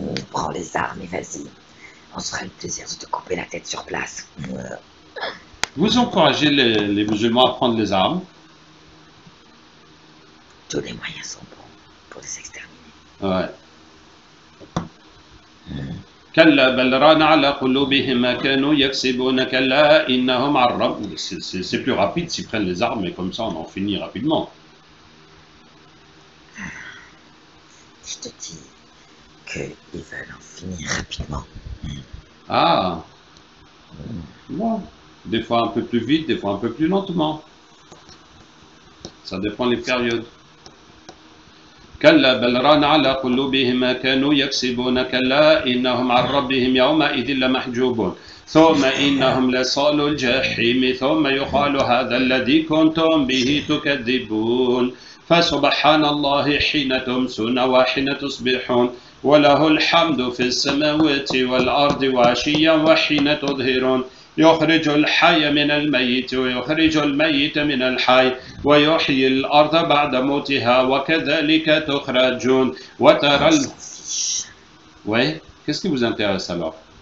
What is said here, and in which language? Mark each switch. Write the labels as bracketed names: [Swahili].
[French] Prends les armes et vas-y. On se fera le plaisir de te couper la tête sur place. Vous encouragez les musulmans à prendre les armes? Tous les moyens sont bons pour les exterminer. Ouais. [Arabic] كلا بل ران على قلوبهما كانوا يكسبون كلا إنهم عن رب. [French] C'est plus rapide s'ils prennent les armes et comme ça on en finit rapidement. Je te dis qu'ils veulent en finir rapidement. Ah. Bon. Des fois un peu plus vite, des fois un peu plus lentement. Ça dépend les périodes. [Arabic] كلا بل ران على قلوبهما كانوا يكسبون كلا إنهم عن ربهم يومئذ لمحجوبون ثم إنهم لصال الجحيم ثم يقال هذا الذي كنتم به تكذبون فسبحان الله حين تمسون وحين تصبحون وله الحمد في السماوات والأرض وعشيا وحين تظهرون يخرج الحي من الميت ويخرج الميت من الحي ويحيي الأرض بعد موتها وكذلك تخرجون وترى ال... [French] وي؟ Qu'est-ce qui vous intéresse alors?